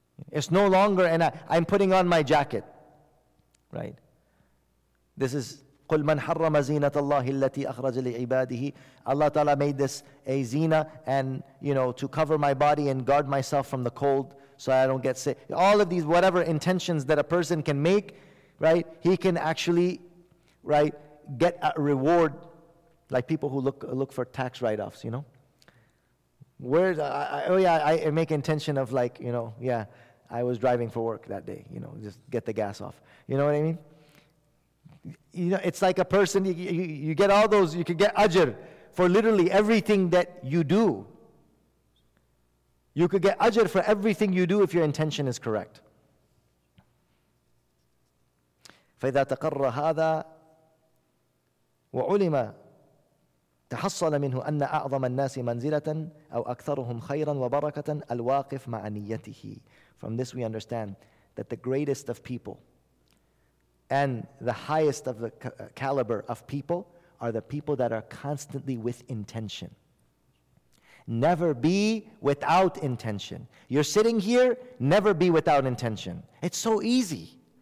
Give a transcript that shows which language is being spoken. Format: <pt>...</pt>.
<en>It's no longer, and I'm putting on my jacket, right? This is</en> <ar>قُلْ مَنْ حَرَّمَ زِينَةَ اللَّهِ الَّتِي أَخْرَجَ لِعِبَادِهِ.</ar> <en>Allah Ta'ala made this a zina, and you know, to cover my body and guard myself from the cold so I don't get sick. All of these whatever intentions that a person can make, right, he can actually, right, get a reward, like people who look for tax write-offs, you know. I make intention of like, you know, yeah, I was driving for work that day, you know, just get the gas off. You know what I mean? You know, it's like a person, you get all those, you can get ajr for literally everything that you do. You could get ajr for everything you do if your intention is correct.</en> <ar>فَإِذَا تَقَرَّ هَذَا وَعُلِمَ تحصل منه أن أعظم الناس منزلة أو أكثرهم خيرا وبركة الواقف مع نيته.</ar> <en>From this we understand that the greatest of people and the highest of the caliber of people are the people that are constantly with intention. Never be without intention. You're sitting here, never be without intention. It's so easy.</en>